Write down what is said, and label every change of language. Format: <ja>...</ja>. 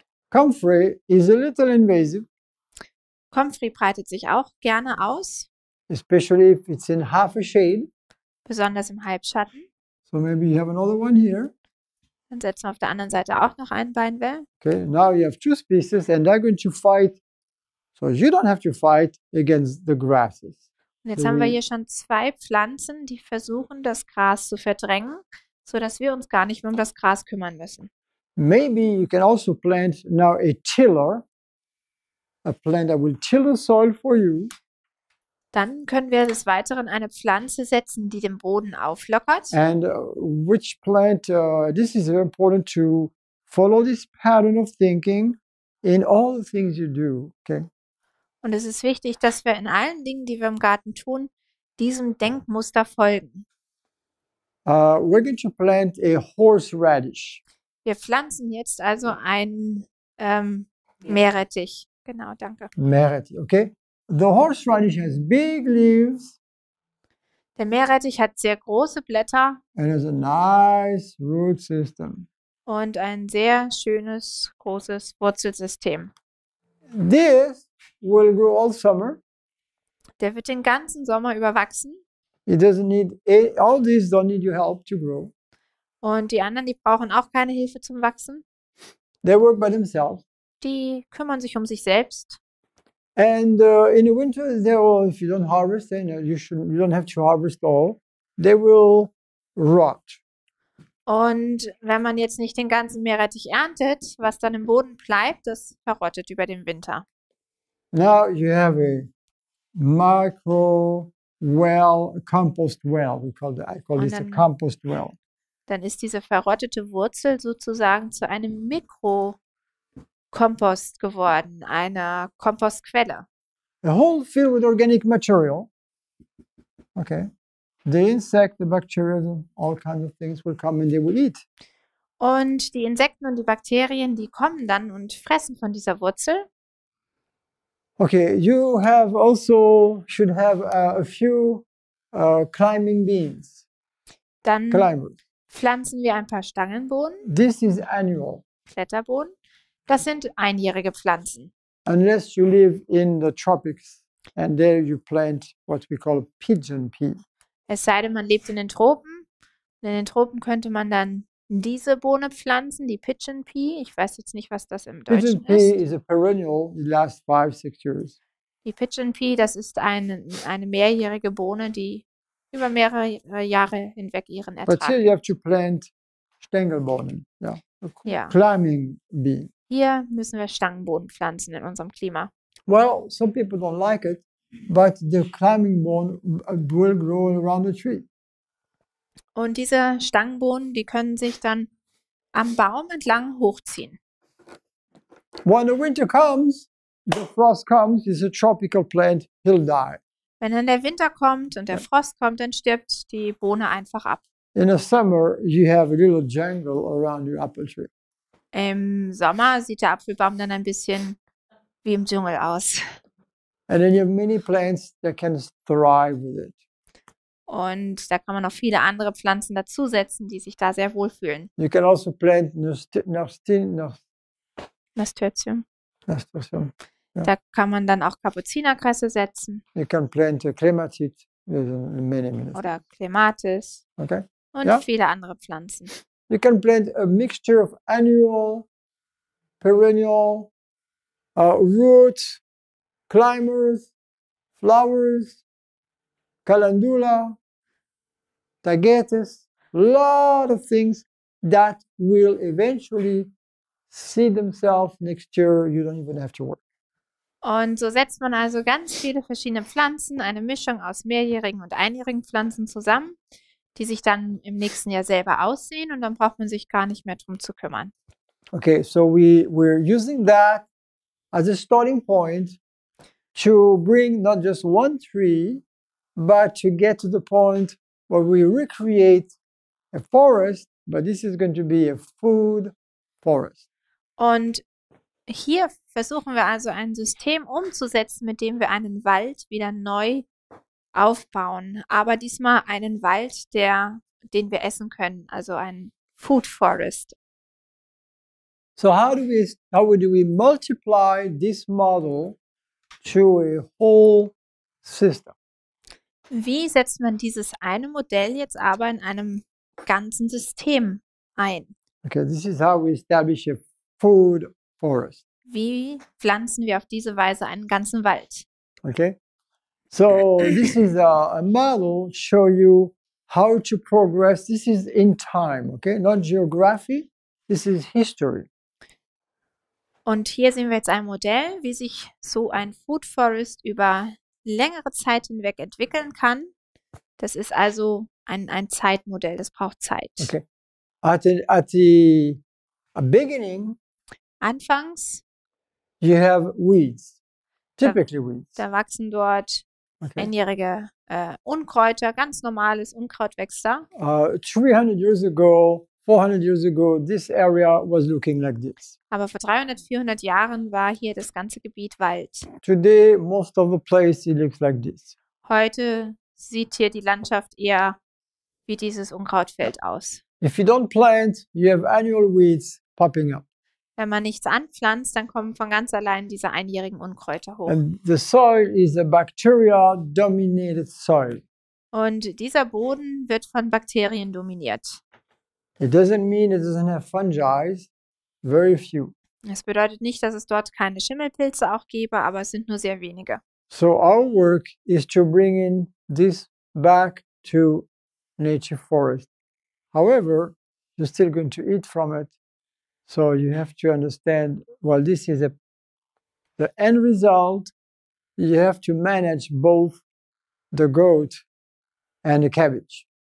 <en>Comfrey is a little invasive.</en> <de>Comfrey breitet sich auch gerne aus.</de> <en>Especially if it's in half a shade.</en> <de>Besonders im Halbschatten.</de> <en>So maybe you have another one here.</en> <de>Dann setzen wir auf der anderen Seite auch noch ein Beinwell.</de> <en>Okay, now you have two species and they're going to fight. So you don't have to fight against the grasses.</en> <de>Und jetzt haben wir hier schon zwei Pflanzen, die versuchen, das Gras zu verdrängen, sodass wir uns gar nicht mehr um das Gras kümmern müssen.</de> <en>Maybe you can also plant now a tiller, a plant that will till the soil for you.</en> <de>Dann können wir des Weiteren eine Pflanze setzen, die den Boden auflockert.</de> <en>And which plant, this is very important to follow this pattern of thinking in all the things you do, okay?</en> <de>Und es ist wichtig, dass wir in allen Dingen, die wir im Garten tun, diesem Denkmuster folgen.</de> <en>We're going to plant a horseradish.</en> <de>Wir pflanzen jetzt also einen Meerrettich. Genau, danke.</de> <en>Meerrettich, okay. The horseradish has big leaves.</en> <de>Der Meerrettich hat sehr große Blätter.</de> <en>And has a nice root system.</en> <de>Und ein sehr schönes, großes Wurzelsystem.</de> <en>This will grow all summer.</en> <de>Der wird den ganzen Sommer über wachsen.</de> <en>It doesn't need all these don't need your help to grow.</en> <de>Und die anderen, die brauchen auch keine Hilfe zum Wachsen.</de> <en>They work by themselves.</en> <de>Die kümmern sich um sich selbst.</de> <en>And in the winter, they will, if you don't harvest, then you don't have to harvest all. They will rot.</en> <de>Und wenn man jetzt nicht den ganzen Meerrettich erntet, was dann im Boden bleibt, das verrottet über den Winter.</de> <en>Now you have a micro well, a compost well. I call this a compost well.</en> <de>Dann ist diese verrottete Wurzel sozusagen zu einem Mikrokompost geworden, einer Kompostquelle.</de> <en>A whole field with organic material. Okay. The insect, the bacteria, all kinds of things will come and they will eat.</en> <de>Und die Insekten und die Bakterien, die kommen dann und fressen von dieser Wurzel.</de> <en>Okay, you have also should have a few climbing beans.</en> <de>Dann climbers. Pflanzen wir ein paar Stangenbohnen.</de> <en>This is annual.</en> <de>Kletterbohnen. Das sind einjährige Pflanzen.</de> <en>Unless you live in the tropics and there you plant what we call pigeon pea.</en> <de>Es sei denn, man lebt in den Tropen. Und in den Tropen könnte man dann diese Bohne pflanzen, die Pigeon Pea. Ich weiß jetzt nicht, was das im Deutschen ist.</de> <en>Pigeon Pea is a perennial, the last 5-6 years.</en> <de>Die Pigeon Pea, das ist eine mehrjährige Bohne, die über mehrere Jahre hinweg ihren Ertrag.</de> <en>But here you have to plant Stängelbohnen. Ja. Climbing Bean.</en> <de>Hier müssen wir Stangenbohnen pflanzen in unserem Klima.</de> <en>Well, some people don't like it. But the climbing bone will grow around the tree.</en> <de>Und diese Stangenbohnen, die können sich dann am Baum entlang hochziehen.</de> <en>When the winter comes, the frost comes, it's a tropical plant, he'll die.</en> <de>Wenn dann der Winter kommt und der Frost kommt, dann stirbt die Bohne einfach ab.</de> <en>In the summer, you have a little jungle around your apple tree.</en> <de>Im Sommer sieht der Apfelbaum dann ein bisschen wie im Dschungel aus.</de> <en>And then you have many plants that can thrive with it.</en> <de>Und da kann man noch viele andere Pflanzen dazusetzen, die sich da sehr wohlfühlen.</de> <en>You can also plant Nasturtium.</en> <de>Nasturtium. Yeah. Da kann man dann auch Kapuzinerkresse setzen.</de> <en>You can plant Clematis with many things.</en> <de>Oder Clematis.</de> <en>Okay.</en> <de>Und yeah? Viele andere Pflanzen.</de> <en>You can plant a mixture of annual, perennial, Root, Climbers, Flowers, Calendula, Tagetes, lot of things that will eventually see themselves next year. You don't even have to work.</en> <de>Und so setzt man also ganz viele verschiedene Pflanzen, eine Mischung aus mehrjährigen und einjährigen Pflanzen zusammen, die sich dann im nächsten Jahr selber aussehen und dann braucht man sich gar nicht mehr drum zu kümmern.</de> <en>Okay, so we're using that as a starting point to bring not just one tree, but to get to the point where we recreate a forest, but this is going to be a food forest.</en> <de>Und hier versuchen wir also ein System umzusetzen, mit dem wir einen Wald wieder neu aufbauen, aber diesmal einen Wald, den wir essen können, also ein Food Forest.</de> <en>So how do we multiply this model to a whole system?</en> <de>Wie setzt man dieses eine Modell jetzt aber in einem ganzen System ein?</de> <en>Okay, this is how we establish a food forest.</en> <de>Wie pflanzen wir auf diese Weise einen ganzen Wald?</de> <en>Okay. So this is a model show you how to progress. This is in time, okay? Not geography. This is history.</en> <de>Und hier sehen wir jetzt ein Modell, wie sich so ein Food Forest über längere Zeit hinweg entwickeln kann. Das ist also ein Zeitmodell. Das braucht Zeit.</de> <en>Okay. At the beginning.</en> <de>Anfangs.</de> <en>You have weeds. Typically weeds.</en> <de>Da wachsen dort okay. Einjährige Unkräuter, ganz normales Unkraut wächst da.</de> <en>300 years ago, 400 years ago, this area was looking like this.</en> <de>Aber vor 300, 400 Jahren war hier das ganze Gebiet Wald.</de> <en>Today, most of the place it looks like this.</en> <de>Heute sieht hier die Landschaft eher wie dieses Unkrautfeld aus.</de> <en>If you don't plant, you have annual weeds popping up.</en> <de>Wenn man nichts anpflanzt, dann kommen von ganz allein diese einjährigen Unkräuter hoch.</de> <en>And the soil is a bacteria-dominated soil.</en> <de>Und dieser Boden wird von Bakterien dominiert.</de> <en>It doesn't mean it doesn't have fungi. Very few.</en> <de>Es bedeutet nicht, dass es dort keine Schimmelpilze auch gäbe, aber es sind nur sehr wenige.</de> <en>So our work is to bring in this back to nature forest. However, you're still going to eat from it. So you have to understand, well, this is the end result. You have to manage both the goat and the cabbage.</en>